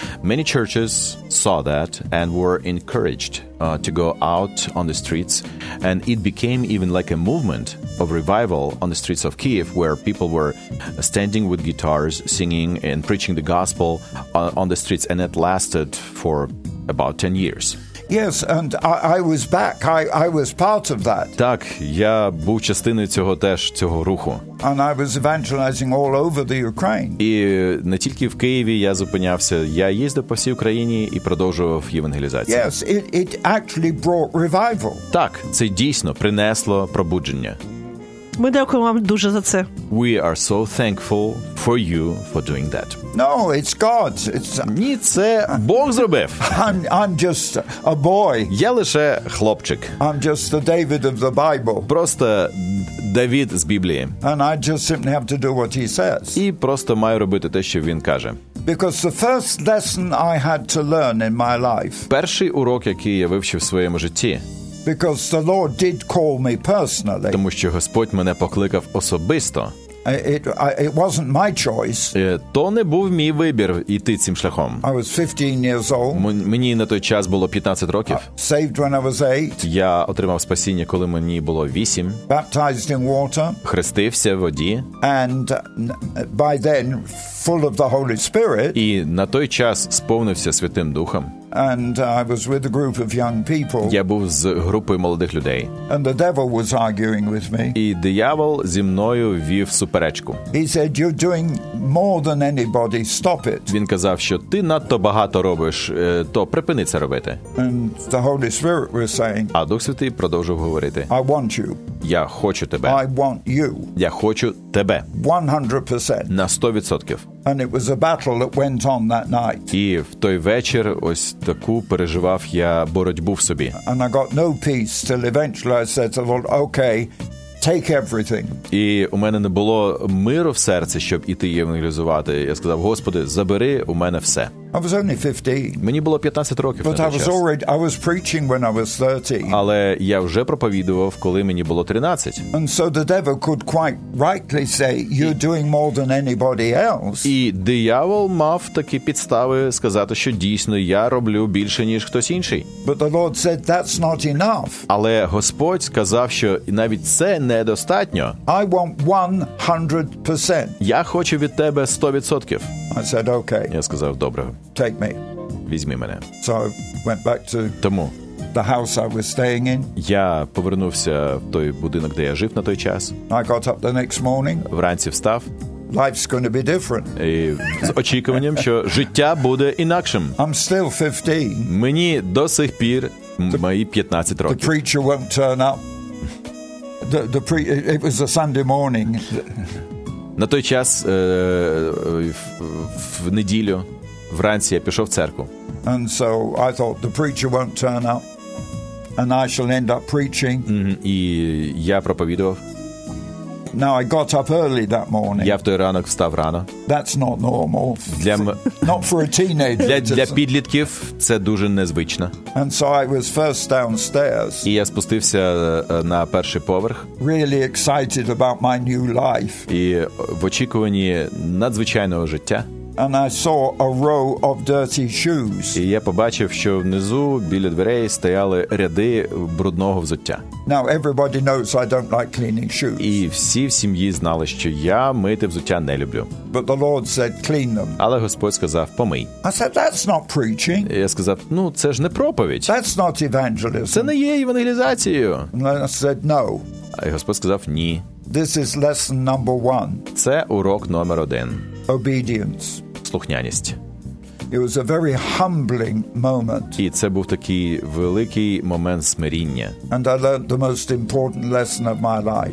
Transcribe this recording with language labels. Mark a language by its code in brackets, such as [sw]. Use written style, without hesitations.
[en] Many churches saw that and were encouraged to go out on the streets, and it became even like a movement of revival on the streets of Kiev, where people were standing with guitars, singing and preaching the gospel on the streets, and it lasted for about 10 years. Yes, and I was back. I was part of that. [uk] Так, я був частиною цього руху. [en] And I was evangelizing all over the Ukraine. [uk] І не тільки в Києві я зупинявся, я їздив по всій Україні і продовжував євангелізацію. [en] Yes, it actually brought revival. [uk] Так, це дійсно принесло пробудження. Ми дякуємо вам дуже за це. [en] We are so thankful for you for doing that. No, it's God. It's [uk] Ні, це Бог зробив. [en] I'm just a boy. [uk] Я лише хлопчик. [en] I'm just the David of the Bible. [uk] Просто Давид з Біблії. [en] And I just simply have to do what he says. [uk] І просто маю робити те, що він каже. [en] Because the first lesson I had to learn in my life. [uk] Перший урок, який я вивчив в своєму житті. [en] Because the Lord did call me personally. [uk] Тому що Господь мене покликав особисто. [en] It wasn't my choice. [uk] То не був мій вибір іти цим шляхом. [en] I was 15 years old. [uk] Мені на той час було 15 років. [en] Saved when I was 8. [uk] Я отримав спасіння, коли мені було 8. [en] Baptized in water. [uk] Хрестився в воді. [en] And by then full of the Holy Spirit. [uk] І на той час сповнився Святим Духом. [en] And I was with a group of young people. [uk] Я був з групою молодих людей. [en] And the devil was arguing with me. [uk] І диявол зі мною вів суперечку. [en] He said, you're doing more than anybody. Stop it. [uk] Він казав, що ти надто багато робиш, то припини це робити. [en] And the Holy Spirit was saying, [uk] а Дух Святий продовжував говорити. [en] I want you. [uk] Я хочу тебе. [en] I want you. [uk] Я хочу тебе. [en] 100%. [uk] На 100%. [en] And it was a battle that went on that night. [uk] І в той вечір ось таку переживав я боротьбу в собі. [en] And I got no peace till eventually I said to the Lord, okay, take everything. [uk] І у мене не було миру в серці, щоб іти євангелізувати. Я сказав: "Господи, забери у мене все". [en] I was only 15. [uk] Мені було 15 років. [en] But I was already, I was preaching when I was 30. [uk] Але я вже проповідував, коли мені було 13. [en] And so the devil could quite rightly say you're doing more than anybody else. [uk] І диявол мав такі підстави сказати, що дійсно я роблю більше, ніж хтось інший. [en] But the Lord said that's not enough. [uk] Але Господь сказав, що навіть це недостатньо. [en] I want 100%. [uk] Я хочу від тебе 100%. [en] I said okay. [uk] Я сказав: "Добре. [en] Take me." [uk] Візьми мене. [en] So I went back to [uk] Тому [en] the house I was staying in. [uk] Я повернувся в той будинок, де я жив на той час. [en] I got up the next morning. [uk] Вранці встав. [en] Life's going to be different. [uk] І з очікуванням, що життя буде інакшим. [en] I'm still 15. [uk] Мені до сих пір мої 15 років. [en] The preacher won't turn up. It was a Sunday morning. [uk] На той час в неділю вранці я пішов в церкву. [en] And so I thought the preacher won't turn up and I shall end up preaching. [uk] І я проповідував. [en] Now I got up early that morning. [uk] Я в той ранок встав рано. [en] That's not normal. Not for a teenager. [uk] Для підлітків це дуже незвично. [en] And so I was first downstairs. [uk] І я спустився на перший поверх. [en] Really excited about my new life. [uk] І в очікуванні надзвичайного життя. [en] And I saw a row of dirty shoes. [uk] І я побачив, що внизу біля дверей стояли ряди брудного взуття. [en] Now everybody knows I don't like cleaning shoes. [uk] І всі в сім'ї знали, що я мити взуття не люблю. [en] But the Lord said clean them. [uk] Але Господь сказав: "Помий". [en] I said that's not preaching. [uk] Я сказав: "Ну, це ж не проповідь". [en] That's not evangelism. [uk] Це не є євангелізацією. [en] And I said no. [uk] А Господь сказав: "Ні". [en] This is lesson number one. [uk] Це урок номер один. [en] Obedience. [uk] Слухняність. [en] It was a very humbling moment. [uk] І це був такий великий момент смиріння. [en] And I learned the most important lesson of my life.